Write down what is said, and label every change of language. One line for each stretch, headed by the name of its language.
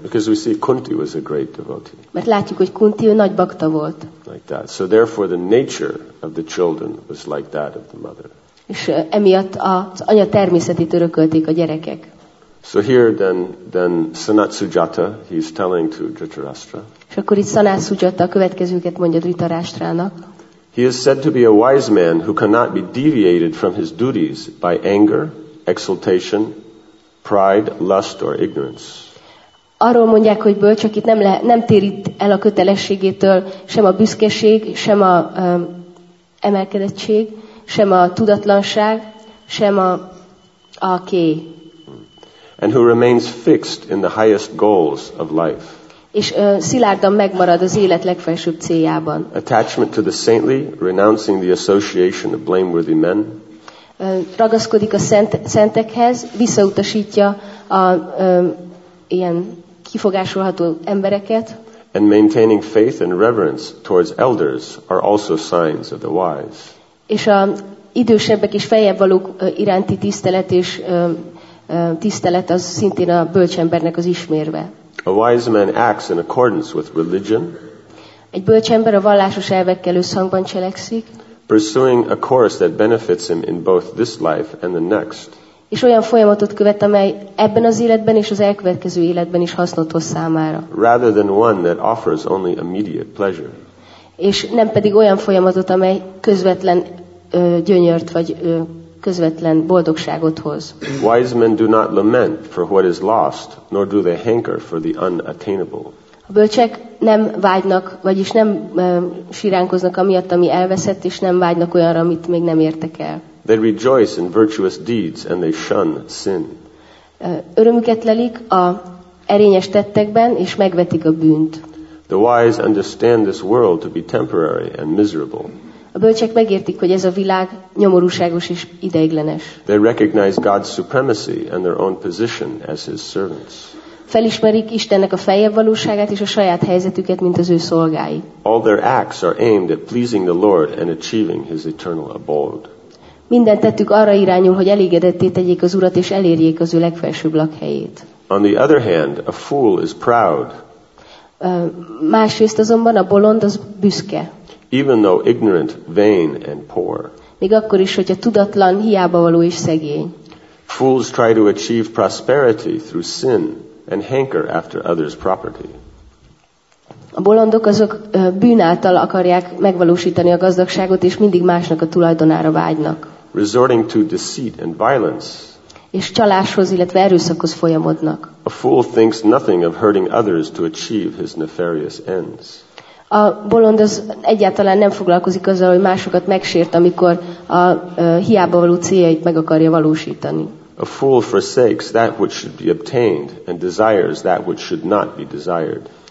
English: Because we see Kunti was a great devotee.
Hungarian: Mert látjuk, hogy Kunti, ő nagy bakta volt.
English: Like that. So therefore the nature of the children was like that of the mother.
Hungarian: És emiatt az anya természetét örökölték a gyerekek.
English: So here then Sanat Sujata, he's telling to Dhritarashtra.
Hungarian: És akkor itt Sanat Sujata a következőket mondja Dhritarashtrának.
English: He is said to be a wise man who cannot be deviated from his duties by anger, exultation, pride, lust or ignorance.
Hungarian: Arról mondják, hogy bölcs, akit nem térít el a kötelességétől sem a büszkeség, sem a emelkedettség, sem a tudatlanság, sem a ké.
English: And who remains fixed in the highest goals of life.
Hungarian: És szilárdan megmarad az élet legfelsőbb céljában.
English: Attachment to the saintly, renouncing the association of blameworthy men.
Hungarian: Ragaszkodik a szentekhez, visszautasítja a ilyen kifogásolható embereket.
English: And maintaining faith and reverence towards elders are also signs of the wise.
Hungarian: És a idősebbek és feljebb valók iránti tisztelet és tisztelet az szintén a bölcs embernek az ismérve.
English: A wise man acts in accordance with religion.
Hungarian: Egy bölcs ember a vallásos elvekkel összhangban cselekszik.
English: Pursuing a course that benefits him in both this life and the next.
Hungarian: És olyan folyamatot követ, amely ebben az életben és az elkövetkező életben is hasznot hoz számára.
English: Rather than one that offers only immediate pleasure.
Hungarian: És nem pedig olyan folyamatot, amely közvetlen gyönyört vagy közvetlen boldogságot hoz.
English: Wise men do not lament for what is lost, nor do they hanker for the unattainable.
Hungarian: A bölcsek nem vágynak, vagyis nem síránkoznak amiatt, ami elveszett, és nem vágynak olyanra, amit még nem értek el.
English: They rejoice in virtuous deeds and they shun sin.
Hungarian: Örömüket lelik a erényes tettekben és megvetik a bűnt.
English: The wise understand this world to be temporary and miserable.
Hungarian: A bölcsek megértik, hogy ez a világ nyomorúságos és ideiglenes.
English: They recognize God's supremacy and their own position as his servants.
Hungarian: Felismerik Istennek a feljebb valóságát és a saját helyzetüket, mint az ő szolgái.
English: All their acts are aimed at pleasing the Lord and achieving his eternal abode.
Hungarian: Minden tettük arra irányul, hogy elégedetté tegyék az Urat és elérjék az ő legfelsőbb lakhelyét.
English: On the other hand, a fool is proud.
Hungarian: Másrészt azonban a bolond az büszke.
English: Even though ignorant, vain and poor.
Hungarian: Még akkor is, hogyha tudatlan, hiába való és szegény.
English: Fools try to achieve prosperity through sin and hanker after others' property.
Hungarian: A bolondok azok bűn által akarják megvalósítani a gazdagságot és mindig másnak a tulajdonára vágynak.
English: Resorting to deceit and violence.
Hungarian: És csaláshoz, illetve erőszakhoz folyamodnak.
English: A fool thinks nothing of hurting others to achieve his nefarious ends.
Hungarian: A bolond az egyáltalán nem foglalkozik azzal, hogy másokat megsért, amikor a hiába való céljait meg akarja valósítani.
English: A fool forsakes that which should be obtained and desires that which should not be desired.